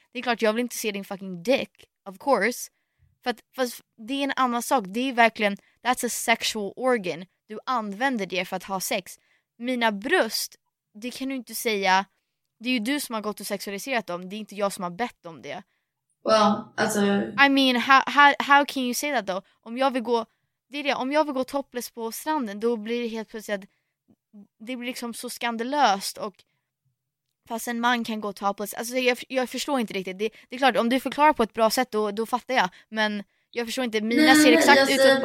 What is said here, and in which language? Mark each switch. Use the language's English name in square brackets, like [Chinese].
[Swedish] Det är klart, jag vill inte se din [English] fucking dick, of course. [Swedish] För det är en annan sak. Det är verkligen, [English] that's a sexual organ. [Swedish] Du använder det för att ha sex. Mina bröst, det kan du inte säga. Det är ju du som har gått och sexualiserat dem. Det är inte jag som har bett om det. Well, alltså... [English] I mean, how can you say that though? [Swedish] Om jag vill gå, det är det, om jag vill gå topless på stranden, då blir det helt plötsligt att det blir liksom så skandalöst. Och fast en man kan gå topless. Alltså jag förstår inte riktigt. Det är klart, om du förklarar på ett bra sätt, då fattar jag. Men jag förstår inte. Mina ser exakt ut.